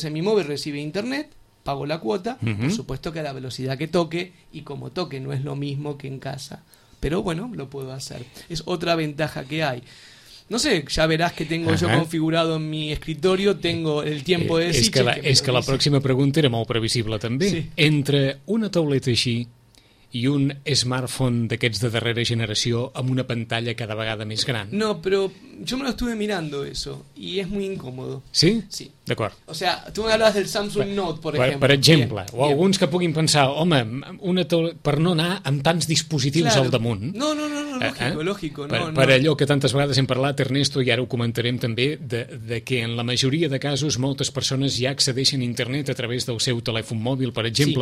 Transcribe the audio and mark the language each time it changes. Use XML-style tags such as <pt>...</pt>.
<es>O sea, mi móvil recibe internet, pago la cuota, por supuesto que a la velocidad que toque, y como toque no es lo mismo que en casa, pero bueno, lo puedo hacer. Es otra ventaja que hay. No sé, ya verás que tengo yo configurado en mi escritorio, tengo el tiempo de decir...</es> <ca>És que la pròxima pregunta era molt previsible, també. Sí. Entre una tauleta així i un smartphone d'aquests de darrera generació amb una pantalla cada vegada més gran...</ca> <es>No, però yo me lo estuve mirando eso, y es muy incómodo.</es> <ca>Sí? Sí. D'acord.</ca> <es>O sea, tú me hablabas del Samsung Note,</es> <ca>per exemple. Per exemple,</ca> <es>bien, o bien.</es> <ca>Alguns que puguin pensar, home, una tauleta, per no anar amb tants dispositius</ca> <es>claro.</es> <ca>Al damunt...</ca> <es>No. Lógico.</es> <ca>Per allò que tantes vegades hem parlat, Ernesto, i ara ho comentarem també, de que en la majoria de casos moltes persones ja accedeixen a internet a través del seu telèfon mòbil, per exemple,</ca>